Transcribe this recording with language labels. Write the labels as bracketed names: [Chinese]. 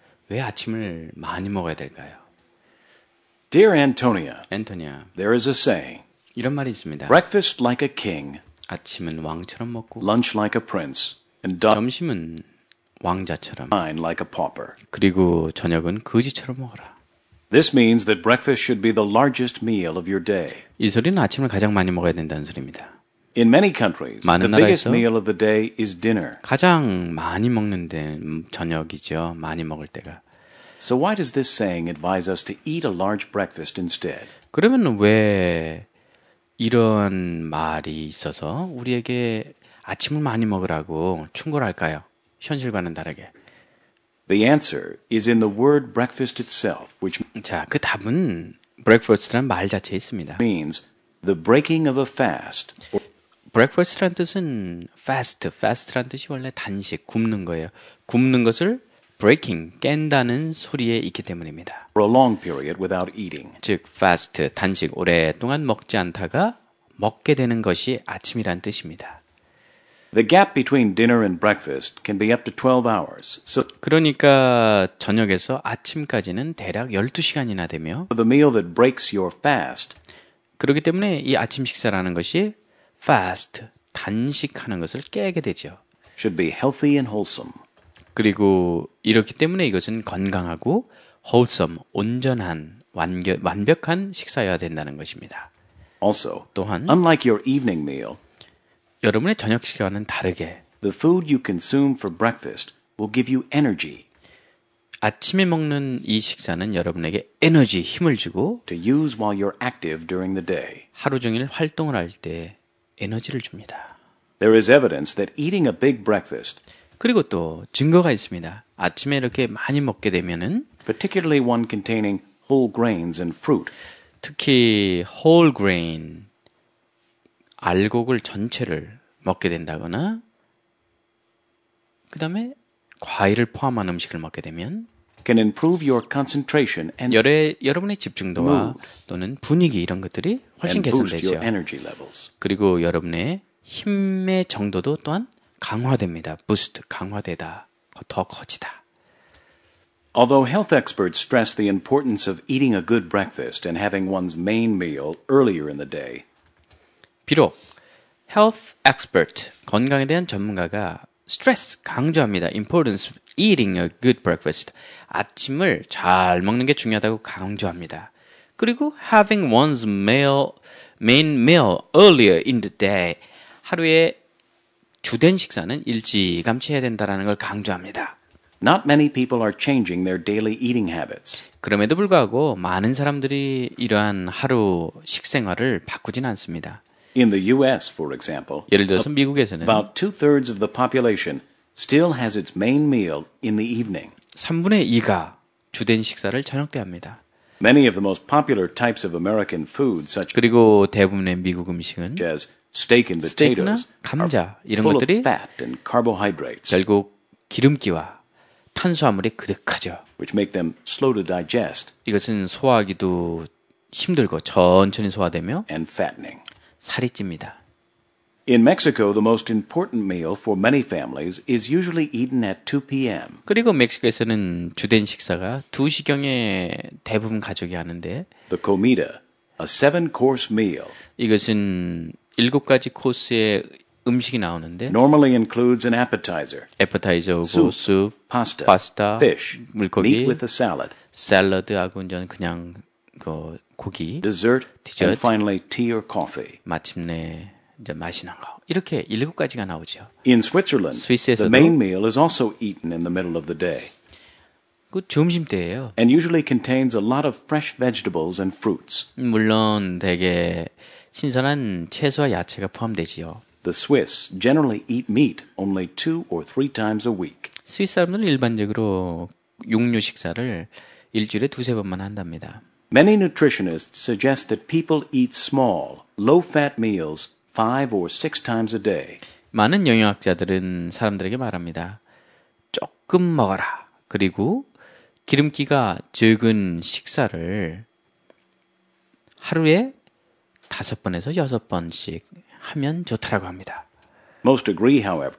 [Korean] 왜 아침을 많이 먹어야 될까요? [English] Dear Antonia, Antonia, there is a saying. [Korean] 이런 말이 있습니다. [English] Breakfast like a king. [Korean] 아침은 왕처럼 먹고. [English] Lunch like a prince. And [Korean] 점심은 왕자처럼. [English] Dine like a pauper. [Korean] 그리고 저녁은 거지처럼 먹어라. [English] This means that breakfast should be the largest meal of your day. [Korean] 이 소리는 아침을 가장 많이 먹어야 된다는 소리입니다. [English] In many countries, the biggest meal of the day is dinner. [Korean] 가장 많이 먹는 데 저녁이죠. 많이 먹을 때가. [English] So why does this saying advise us to eat a large breakfast instead? [Korean] 그러면 왜 이런 말이 있어서 우리에게 아침을 많이 먹으라고 충고할까요? 현실과는 다르게. [English] The answer is in the word breakfast itself, which [Korean] 자, 그 답은 breakfast라는 말 자체에 있습니다. [English] Means the breaking of a fast. [Korean] Breakfast라는 뜻은 fast. Fast라는 뜻이 원래 단식, 굶는 거예요. 굶는 것을 breaking, 깬다는 소리에 있기 때문입니다. [English] For a long period without eating. [Korean] 즉, fast, 단식, 오랫동안 먹지 않다가 먹게 되는 것이 아침이란 뜻입니다. [English] The gap between dinner and breakfast can be up to 12 hours. So [Korean] 그러니까 저녁에서 아침까지는 대략 12시간이나 되며 [English] the meal that breaks your fast. [Korean] 그렇기 때문에 이 아침 식사라는 것이 fast, 단식하는 것을 깨게 되죠. [English] Should be healthy and wholesome. [Korean] 그리고 이렇기 때문에 이것은 건강하고 wholesome, 온전한, 완벽한 식사여야 된다는 것입니다. [English] Also, [Korean] 또한 [English] unlike your evening meal, [Korean] 여러분의 저녁 시간은 다르게 [English] The food you consume for breakfast will give you energy. [Korean] 아침에 먹는 이 식사는 여러분에게 에너지, 힘을 주고 [English] to use while you're active during the day. [Korean] 하루 종일 활동을 할 때 에너지를 줍니다. [English] There is evidence that eating a big breakfast [Korean] 그리고 또 증거가 있습니다. 아침에 이렇게 많이 먹게 되면은 [English] particularly one containing whole grains and fruit. [Korean] 특히 whole grain 알곡을 전체를 먹게 된다거나 그 다음에 과일을 포함한 음식을 먹게 되면 [English] can improve your concentration and [Korean] 여러분의 집중도와 또는 분위기 이런 것들이 훨씬 개선되죠. 그리고 여러분의 힘의 정도도 또한 강화됩니다. Boost, 강화되다, 더 커지다. [English] Although health experts stress the importance of eating a good breakfast and having one's main meal earlier in the day, [Korean] 비록 health expert, 건강에 대한 전문가가 stress, 강조합니다. [English] Importance of eating a good breakfast. [Korean] 아침을 잘 먹는 게 중요하다고 강조합니다. 그리고 [English] having one's main meal earlier in the day. [Korean] 하루에 주된 식사는 일찌감치 해야 된다는 걸 강조합니다. [English] Not many people are changing their daily eating habits. [Korean] 그럼에도 불구하고 많은 사람들이 이러한 하루 식생활을 바꾸진 않습니다. [English] In the U.S., for example, [Korean] 예를 들어서 미국에서는 [English] about two-thirds of the population still has its main meal in the evening. [Korean] 3분의 2가 주된 식사를 저녁 때 합니다. [English] Many of the most popular types of American food, such [Korean] 그리고 대부분의 미국 음식은 [English] such as steak and potatoes, [Korean] 감자 이런 것들이 [English] fat and carbohydrates. [Korean] 결국 기름기와 탄수화물이 그득하죠. [English] Which make them slow to digest. [Korean] 이것은 소화하기도 힘들고 천천히 소화되며 [English] and fattening. [Korean] 살이 찝니다. [English] In Mexico, the most important meal for many families is usually eaten at 2 p.m. [Korean] 그리고 멕시코에서는 주된 식사가 2시경에 대부분 가족이 하는데 [English] The comida, a seven-course meal. [Korean] 이것은 7가지 코스의 음식이 나오는데 [English] normally includes an appetizer. [Korean] 애프타이저고 [English] soup, pasta, fish, [Korean] 물고기, [English] meat with a salad. [Korean] 샐러드하고 이제 그냥 그 고기, [English] dessert, [Korean] 디저트, [English] and finally tea or coffee. [Korean] 마침내 이제 마시는 거. 이렇게 일곱 가지가 나오죠. [English] In Switzerland, [Korean] 스위스에서도 [English] the main meal is also eaten in the middle of the day. [Korean] 그 점심 때예요. [English] And usually contains a lot of fresh vegetables and fruits. [Korean] 물론 되게 신선한 채소와 야채가 포함되지요. [English] The Swiss generally eat meat only two or three times a week. [Korean] 스위스 사람들은 일반적으로 육류 식사를 일주일에 두세 번만 한답니다. [English] Many nutritionists suggest that people eat small, low-fat meals 5 or 6 times a day. [Korean] 많은 영양학자들은 사람들에게 말합니다. 조금 먹어라. 그리고 기름기가 적은 식사를 하루에 5번에서 6번씩 하면 좋다라고 합니다. [English] Most agree, however.